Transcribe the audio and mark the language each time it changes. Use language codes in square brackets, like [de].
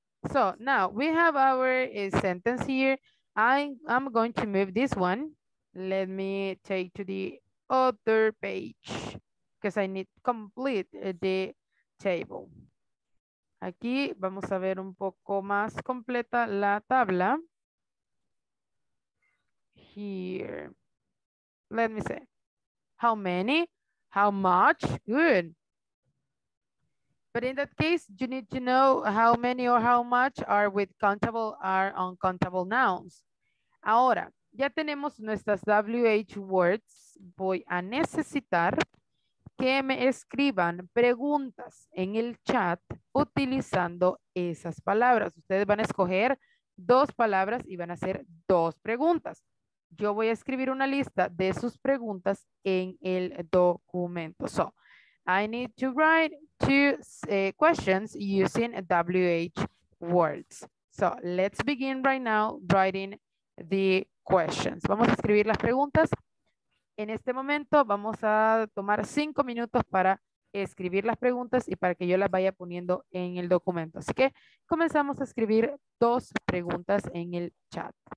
[en] So now we have our sentence here. I'm going to move this one. Let me take to the other page because I need complete the table. [es] Aquí vamos a ver un poco más completa la tabla. [en] Here. Let me see. How many? How much? Good. But in that case, you need to know how many or how much are with countable or uncountable nouns. [es] Ahora, ya tenemos nuestras WH words. Voy a necesitar que me escriban preguntas en el chat utilizando esas palabras. Ustedes van a escoger dos palabras y van a hacer dos preguntas. Yo voy a escribir una lista de sus preguntas en el documento. [en] So, I need to write two questions using WH words. So, let's begin right now writing the questions. [es] Vamos a escribir las preguntas. En este momento vamos a tomar 5 minutos para escribir las preguntas y para que yo las vaya poniendo en el documento. Así que comenzamos a escribir 2 preguntas en el chat.